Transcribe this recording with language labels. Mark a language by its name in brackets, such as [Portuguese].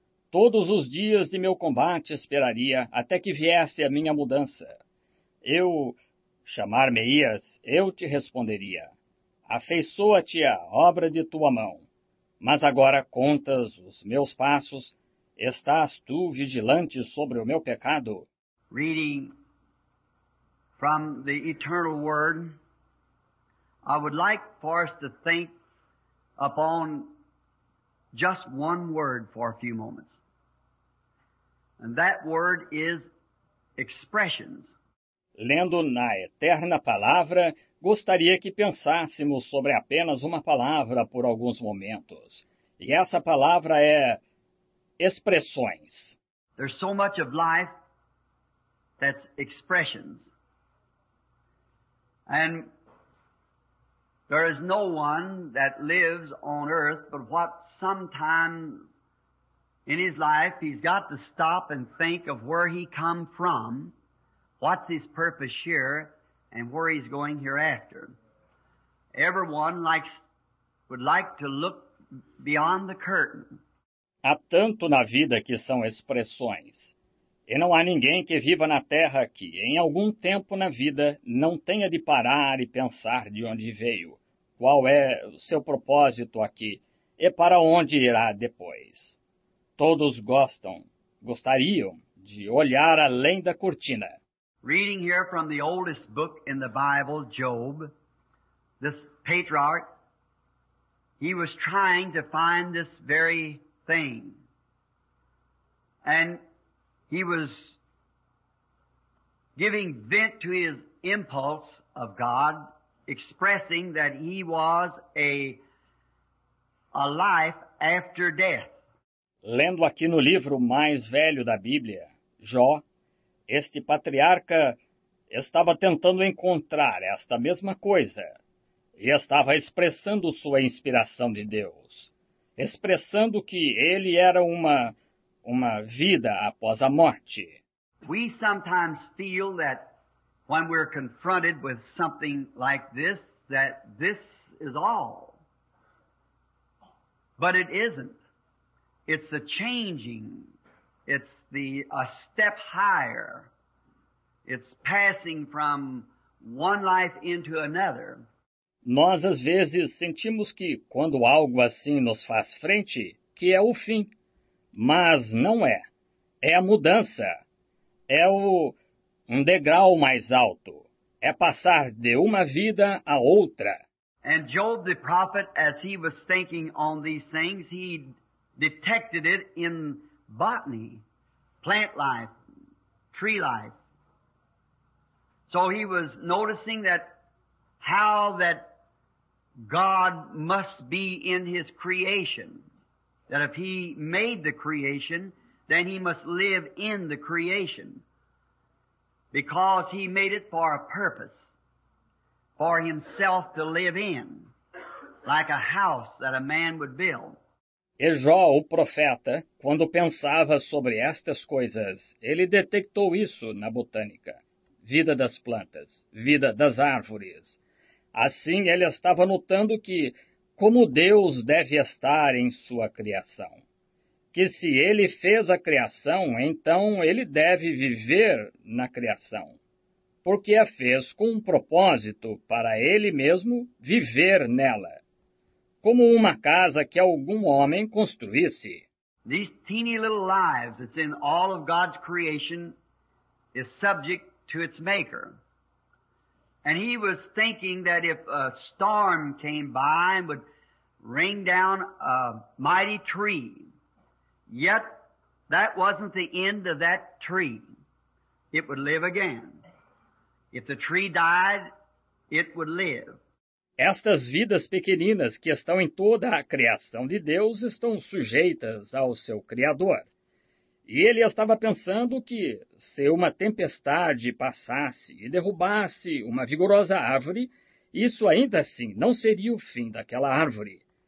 [Portuguese] Todos os dias de meu combate esperaria até que viesse a minha mudança. Eu, chamar-me-ias, eu te responderia. Afeiçoa-te a obra de tua mão. Mas agora contas os meus passos. Estás tu vigilante sobre o meu pecado? [English] Reading from the eternal word, I would like for us to think upon just one word for a few moments. And that word is expressions. [Portuguese] Lendo na eterna palavra, gostaria que pensássemos sobre apenas uma palavra por alguns momentos. E essa palavra é expressões. [English] There's so much of life that's expressions. And there is no one that lives on earth but what sometime in his life he's got to stop and think of where he come from, what's his purpose here, and where he's going hereafter. Everyone would like to look beyond the curtain. [Portuguese] Há tanto na vida que são expressões. E não há ninguém que viva na terra que, em algum tempo na vida, não tenha de parar e pensar de onde veio. Qual é o seu propósito aqui e para onde irá depois? Todos gostariam de olhar além da cortina. [English] Reading here from the oldest book in the Bible, Job, this patriarch, he was trying to find this very thing. And he was giving vent to his impulse of God, expressing that he was a life after death. [Portuguese] Lendo aqui no livro mais velho da Bíblia, Jó, este patriarca estava tentando encontrar esta mesma coisa e estava expressando sua inspiração de Deus, expressando que ele era uma vida após a morte. [English] We sometimes feel that when we're confronted with something like this, that this is all. But it isn't. It's the changing. It's a step higher. It's passing from one life into another. [Portuguese] Nós às vezes sentimos que quando algo assim nos faz frente, que é o fim. Mas não é. É a mudança. É um degrau mais alto. É passar de uma vida a outra. [English] And Job the prophet, as he was thinking on these things, he detected it in botany, plant life, tree life. So he was noticing that how that God must be in his creation. That if he made the creation, then he must live in the creation. Because he made it for a purpose. For himself to live in. Like a house that a man would build. [Portuguese] E Jó, o profeta, quando pensava sobre estas coisas, ele detectou isso na botânica. Vida das plantas, vida das árvores. Assim, ele estava notando que, como Deus deve estar em sua criação. Que se ele fez a criação, então ele deve viver na criação. Porque a fez com um propósito para ele mesmo viver nela. Como uma casa que algum homem construísse. [English] These teeny little lives that's in all of God's creation is subject to its maker. And he was thinking that if a storm came by and would rain down a mighty tree, yet that wasn't the end of that tree. It would live again. If the tree died, it would live. [Portuguese] Estas vidas pequeninas que estão em toda a criação de Deus estão sujeitas ao seu Criador. E ele estava pensando que, se uma tempestade passasse e derrubasse uma vigorosa árvore, isso ainda assim não seria o fim daquela árvore.